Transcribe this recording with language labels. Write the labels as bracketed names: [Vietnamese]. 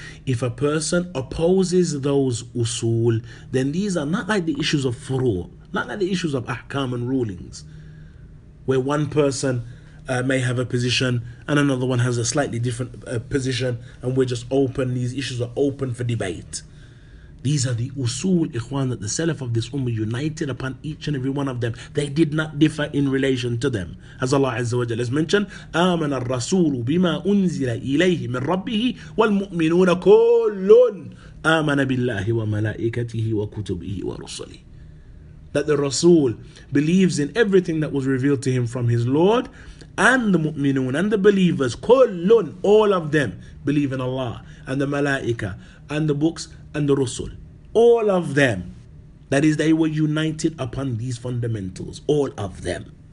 [English] If a person opposes those usul, then these are not like the issues of furu', not like the issues of ahkam and rulings, where one person may have a position and another one has a slightly different position, and we're just open, these issues are open for debate. These are the usul, Ikhwan, that the Salaf of this Ummah united upon each and every one of them. They did not differ in relation to them. As Allah Azza wa Jalla has mentioned, [Arabic] آمَنَ الرَّسُولُ بِمَا أُنزِلَ إِلَيْهِ مِنْ رَبِّهِ وَالْمُؤْمِنُونَ كُلٌّ آمَنَ بِاللَّهِ وَمَلَائِكَتِهِ وَكُتُبِهِ وَرُسُلِهِ. [English] That the Rasul believes in everything that was revealed to him from his Lord, and the mu'minun and the believers, kullun, all of them believe in Allah and the malaika and the books and the Rasul, all of them. That is, they were united upon these fundamentals, all of them.